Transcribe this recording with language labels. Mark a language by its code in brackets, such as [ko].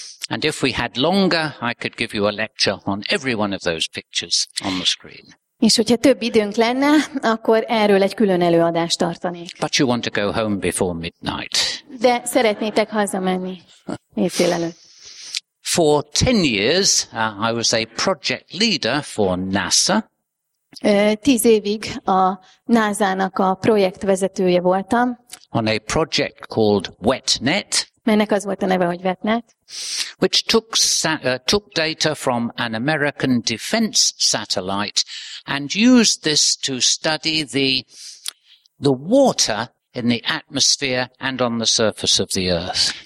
[en] And if we had longer, I could give you a lecture on every one of those pictures on the screen. [hu] És hogyha több időnk lenne, akkor erről egy külön előadást tartanék. [en] But you want to go home before midnight. [hu] De szeretnétek hazamenni éjfél előtt. [en] For 10 years, I was a project leader for NASA. [hu] 10 évig a NASA-nak a projektvezetője voltam. [en] On a project called WETNET. [hu] Melynek az volt a neve, hogy WETNET. [en] Which took data from an American defense satellite and used this to study the water in the atmosphere and on the surface of the Earth.